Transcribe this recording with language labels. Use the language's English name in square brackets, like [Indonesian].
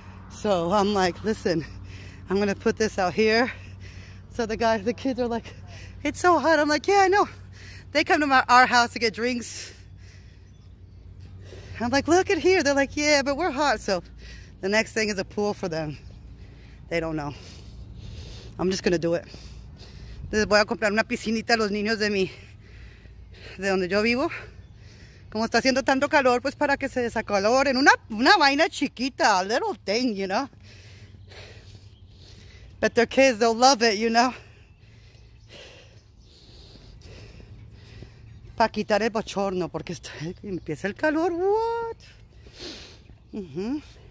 [English] So I'm like, listen, I'm going to put this out here. So the kids are like, it's so hot. I'm like, yeah, I know. They come to our house to get drinks. I'm like, look at here. They're like, yeah, but we're hot. So the next thing is a pool for them. They don't know. I'm just going to do it. [Spanish] Entonces voy a comprar una piscinita a los niños de mi, de donde yo vivo. Como está haciendo tanto calor, pues para que se desacaloren. Una vaina chiquita, [English] a little thing, you know. But their kids, they'll love it, you know. [Spanish] Para quitar el bochorno, porque está, empieza el calor, what?